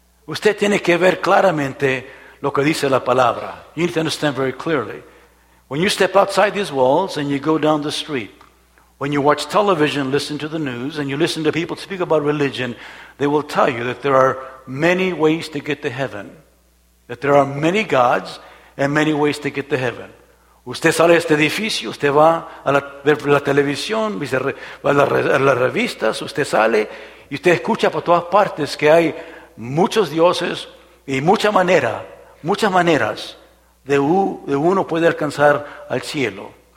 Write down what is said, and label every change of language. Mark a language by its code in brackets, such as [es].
[es] Usted tiene que ver claramente lo que dice la palabra. [en] You need to understand very clearly. When you step outside these walls and you go down the street, when you watch television, listen to the news, and you listen to people speak about religion, they will tell you that there are many ways to get to heaven. That there are many gods and many ways to get to heaven. [es] Usted sale de este edificio, usted va a la televisión, va a las revistas, usted sale y usted escucha por todas partes que hay muchos dioses y muchas maneras de uno puede alcanzar al cielo.